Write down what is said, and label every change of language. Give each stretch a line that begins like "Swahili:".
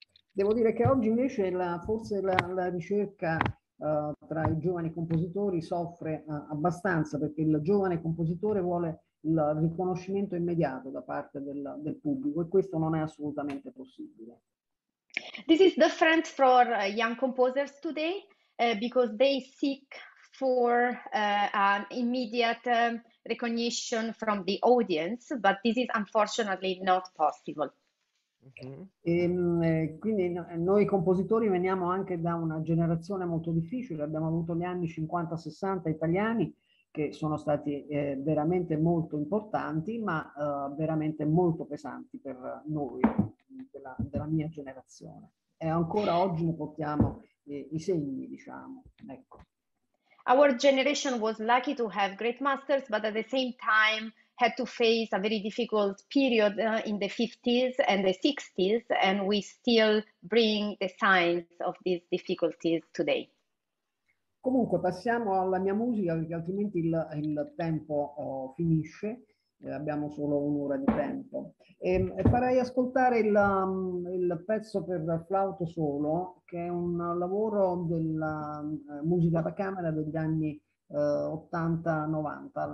Italian: Devo dire che oggi invece forse la ricerca tra i giovani compositori soffre abbastanza, perché il giovane compositore vuole il riconoscimento immediato da parte del pubblico, e questo non è assolutamente possibile.
English: This is different for young composers today because they seek for an immediate recognition from the audience, but this is unfortunately not possible. Mm-hmm.
Italian: Quindi noi compositori veniamo anche da una generazione molto difficile. Abbiamo avuto gli anni 50-60 italiani che sono stati veramente molto importanti, ma veramente molto pesanti per noi. Della mia generazione, e ancora oggi ne portiamo i segni, diciamo, ecco.
English: Our generation was lucky to have great masters, but at the same time had to face a very difficult period in the 50s and the 60s, and we still bring the signs of these difficulties today.
Italian: Comunque passiamo alla mia musica, perché altrimenti il tempo finisce. Abbiamo solo un'ora di tempo. E farei ascoltare il pezzo per flauto solo, che è un lavoro della musica da camera degli anni 80-90,